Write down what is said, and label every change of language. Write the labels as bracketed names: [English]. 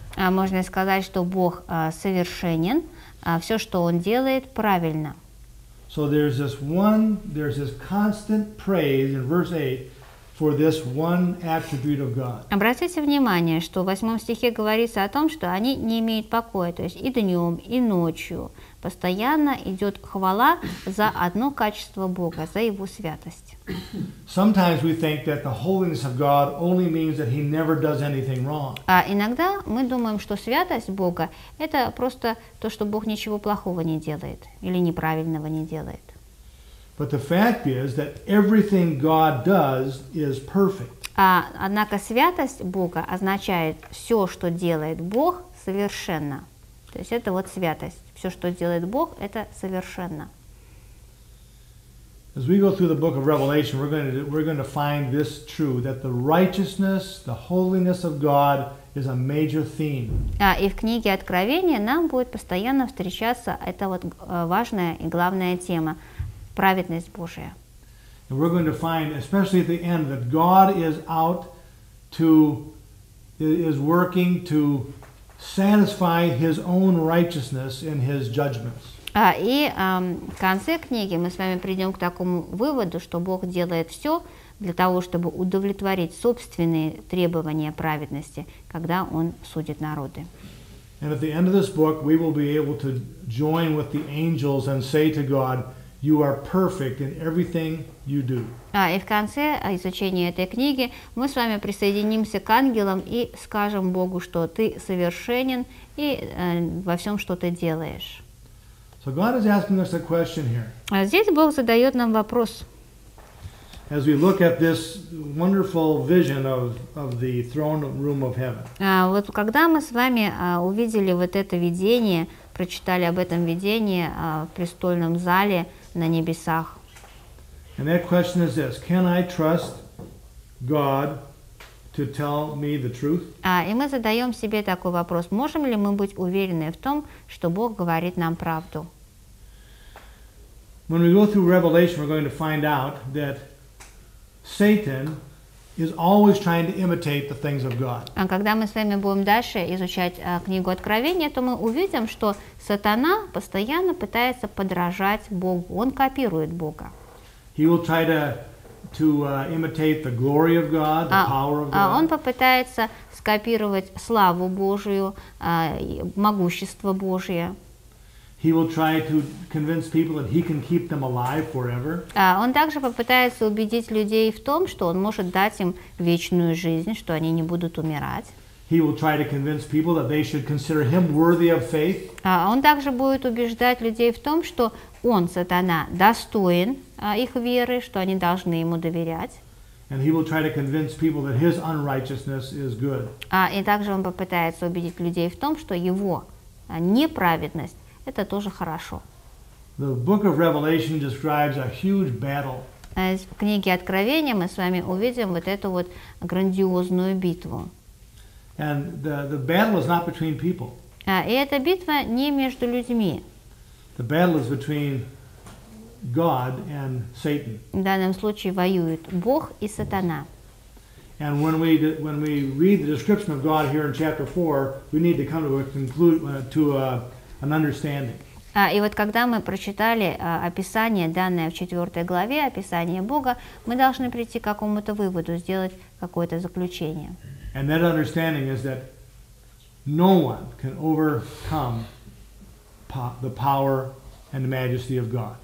[Russian] Можно сказать, что Бог совершенен, все, что он делает, правильно. [English] So there's this constant praise in verse 8 for this one attribute of God. [Russian] Обратите внимание, что в восьмом стихе говорится о том, что они не имеют покоя, то есть и днем, и ночью постоянно идет хвала за одно качество Бога, за его святость. [English] Sometimes we think that the holiness of God only means that he never does anything wrong. [Russian] А иногда мы думаем, что святость Бога это просто то, что Бог ничего плохого не делает или неправильного не делает. [English] But the fact is that everything God does is perfect. [Russian] Однако святость Бога означает все, что делает Бог, совершенно. То есть это вот святость. Все, что делает Бог, это совершенно. [English] As we go through the book of Revelation, we're going to find this true, that the righteousness, the holiness of God is a major theme. [Russian] И в книге Откровения нам будет постоянно встречаться эта вот важная и главная тема – праведность Божия. [English] And we're going to find, especially at the end, that God is out to, is working to satisfy his own righteousness in his judgments. [Russian] В конце книги мы с вами придем к такому выводу, что Бог делает все для того, чтобы удовлетворить собственные требования праведности, когда он судит народы. [English] And at the end of this book, we will be able to join with the angels and say to God, You are perfect in everything you do. [Russian] А и в конце изучения этой книги мы с вами присоединимся к ангелам и скажем Богу, что ты совершенен и во всем, что ты делаешь. [English] So God is asking us a question here. [Russian] А здесь Бог задает нам вопрос. [English] As we look at this wonderful vision of the throne room of heaven. [Russian] Вот когда мы с вами увидели вот это видение, прочитали об этом видении в престольном зале на небесах. [English] And that question is this: Can I trust God to tell me the truth? [Russian] И мы задаем себе такой вопрос: можем ли мы быть уверены в том, что Бог говорит нам правду? [English] When we go through Revelation, we're going to find out that Satan is always trying to imitate the things of God. [Russian] А когда мы с вами будем дальше изучать книгу Откровения, то мы увидим, что сатана постоянно пытается подражать Богу. Он копирует Бога. [English] He will try to imitate the glory of God, the power of God. [Russian] Он попытается скопировать славу Божию, могущество Божие. [English] He will try to convince people that he can keep them alive forever. [Russian] Он также попытается убедить людей в том, что он может дать им вечную жизнь, что они не будут умирать. [English] He will try to convince people that they should consider him worthy of faith. [Russian] Он также будет убеждать людей в том, что он, сатана, достоин их веры, что они должны ему доверять. [English] And he will try to convince people that his unrighteousness is good. [Russian] И также он попытается убедить людей в том, что его неправедность это тоже хорошо. [English] The book of Revelation describes a huge battle. [Russian] В книге Откровения мы с вами увидим вот эту вот грандиозную битву. [English] And the battle is not between people. [Russian] И эта битва не между людьми. [English] The battle is between God and Satan. [Russian] В данном случае воюют Бог и сатана. [English] And when we read the description of God here in chapter 4, we need to come to a conclusion to a an understanding. [Russian] И вот когда мы прочитали описание, данное в 4 главе, описание Бога, мы должны прийти к какому-то выводу, сделать какое-то заключение. [English] And that understanding is that no one can overcome the power and the majesty of God.